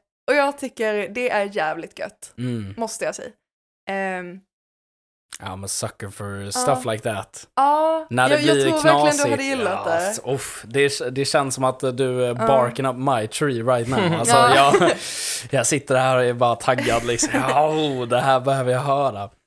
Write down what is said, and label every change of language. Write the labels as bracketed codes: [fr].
[sv] Och jag tycker det är jävligt gött, måste jag säga. [en] I'm a sucker for stuff like that. [sv] När det blir knasigt. Jag tror verkligen du hade gillat det. Det känns som att du är [en] barking up my tree right now. [sv] Alltså, jag sitter här och är bara taggad. Liksom. Det här behöver jag höra.